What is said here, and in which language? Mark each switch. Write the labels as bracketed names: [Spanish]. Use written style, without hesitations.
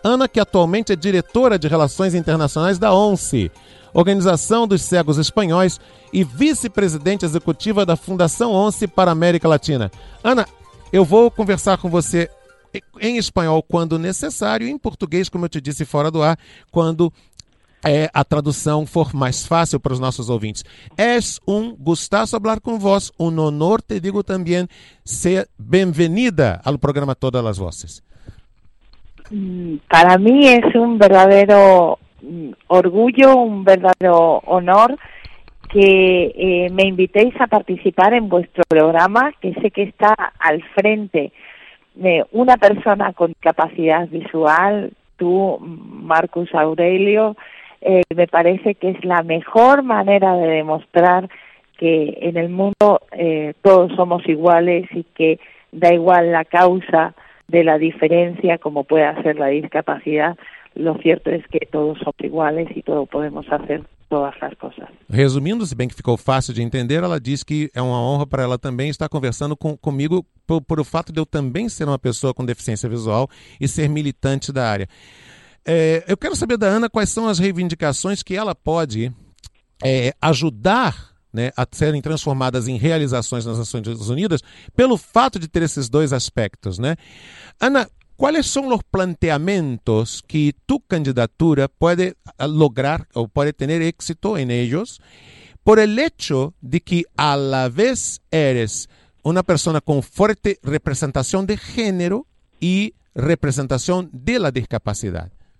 [Portuguese] Ana, que atualmente é diretora de Relações Internacionais da ONCE, Organização dos Cegos Espanhóis, e vice-presidente executiva da Fundação ONCE para a América Latina. Ana, eu vou conversar com você em espanhol quando necessário, e em português, como eu te disse fora do ar, quando a tradução for mais fácil para os nossos ouvintes. [Spanish] Es un gustazo hablar con vos, un honor te digo también [Portuguese] ser bem-vinda ao programa Todas as Voces. Para mim é um verdadeiro [Spanish] orgullo, un verdadero honor que me invitéis a participar en vuestro programa, que sé que está al frente de una persona con discapacidad visual, tú, Marcus Aurelio. Me parece que es la mejor manera de demostrar que en el mundo todos somos iguales y que da igual la causa de la diferencia, como pueda ser la discapacidad. Lo cierto es que todos somos iguales y todos podemos hacer todas las cosas. [Portuguese] Resumindo, se bem que ficou fácil de entender, ela diz que é uma honra para ela também estar conversando comigo por o fato de eu também ser uma pessoa com deficiência visual e ser militante da área. Eu quero saber da Ana quais são as reivindicações que ela pode ajudar, né, a serem transformadas em realizações nas Nações Unidas pelo fato de ter esses dois aspectos, né? [Spanish] Ana, ¿cuáles son los planteamientos que tu candidatura puede lograr o puede tener éxito en ellos por el hecho de que a la vez eres una persona con fuerte representación de género y representación de la discapacidad?